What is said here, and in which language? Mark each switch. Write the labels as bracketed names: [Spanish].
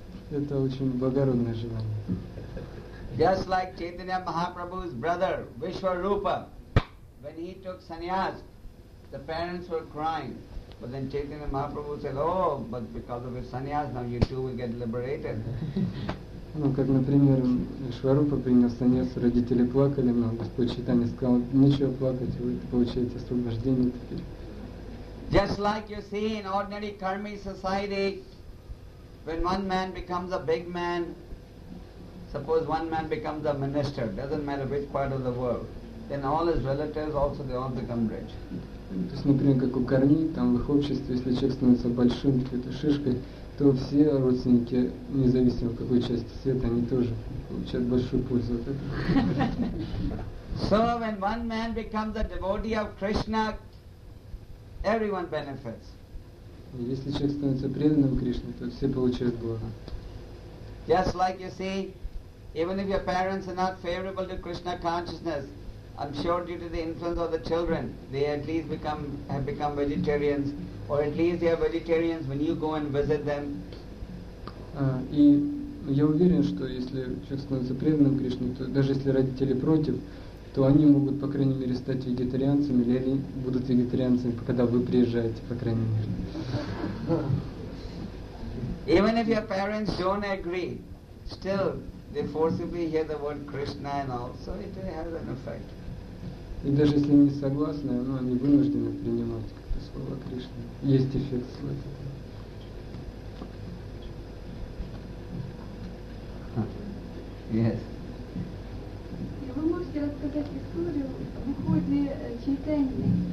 [Russian] Это очень благородное желание. [English] Just like Chaitanya Mahaprabhu's brother, Vishwarupa, when he took sannyas, the parents were crying. But then Chaitanya Mahaprabhu said, oh, but because of his sannyas, now you too will get liberated. [Russian] Ну, как, например, Шварупа принял саньясу, родители плакали, но Господь Чайтанья сказал, нечего плакать, вы получаете освобождение теперь. [English] Just like you see in ordinary karmi society, when one man becomes a big man, suppose one man becomes a minister, doesn't matter which part of the world, then all his relatives also, they all become rich. [Russian] То есть, например, как у карми, там в их обществе, если человек становится большим, какой-то шишкой, то все родственники, независимо от какой части света, они тоже получают большую пользу от этого. [English] So when one man becomes a devotee of Krishna, everyone benefits. [Russian] Если человек становится преданным Кришне, то все получают благо. [English] Just like you see, even if your parents are not favorable to Krishna consciousness, I'm sure due to the influence of the children, they at least have become vegetarians. Or at least they are vegetarians when you go and visit them. [Russian] И я уверен, что если человек становится преданным Кришне, то даже если родители против, то они могут, по крайней мере, стать вегетарианцами, или они будут вегетарианцами, когда вы приезжаете, по крайней мере. [English] Even if your parents don't agree, still they forcibly hear the word Krishna and all, so it has an effect. [Russian] И даже если они согласны, но они вынуждены принимать. Слово Кришны. Есть эффект слышать. Вы можете рассказать историю в уходе Чайтаньи?